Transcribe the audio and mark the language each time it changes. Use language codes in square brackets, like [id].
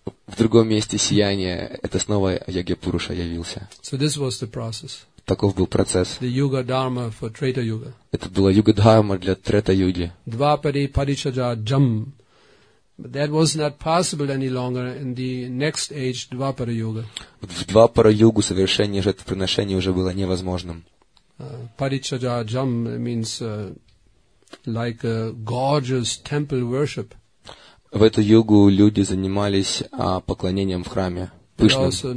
[ru] В другом месте сияние, это снова Ягья Пуруша явился. [en] So this was the process. [ru] Таков был процесс. [en] The Yuga Dharma for Treta Yuga. [ru] Это была Юга Дхарма для Трета Юги. [sa] Двапари Паричаджа Джам. [en] But that was not possible any longer in the next age, Двапара Юга. [ru] В Двапара Югу совершение жертвоприношений уже было невозможным. [en] Паричаджа Джам means like a gorgeous temple worship. [ru] В эту югу люди занимались поклонением в храме, пышным.